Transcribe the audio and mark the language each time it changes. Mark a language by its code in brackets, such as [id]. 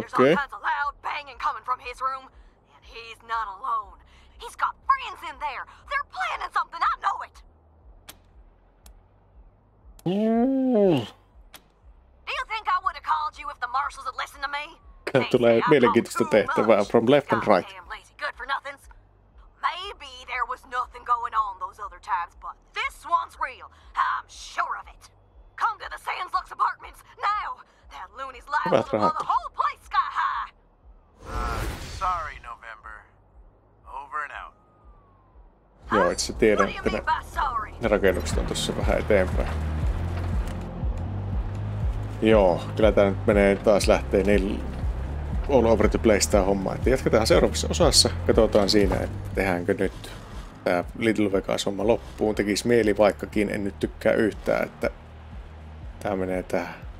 [en] There's all kinds of loud banging coming from his room. And he's not alone. He's got friends in there. They're planning something. I know it. Ooh. Do you think I would have called you if the marshals had listened to me? [fi] Tulee mielenkiintoista tehtävää [en] from left and right. Maybe there was nothing going on those other times, but this one's real. I'm sure of it. Come to the Sands Lux apartments now. That loony's liable to blow the whole place sky high. Sorry, November. Over and out. [fi] Joo, itse tiedän, että ne rakennukset on tossa vähän eteenpäin. Joo, kyllä tää nyt menee taas lähtee [en] all over the place [fi] tää homma, että jatketaan seuraavassa osassa, katsotaan siinä, että tehdäänkö nyt tää Little Vegas homma loppuun, tekis mieli vaikkakin, en nyt tykkää yhtään, että tää menee tähän.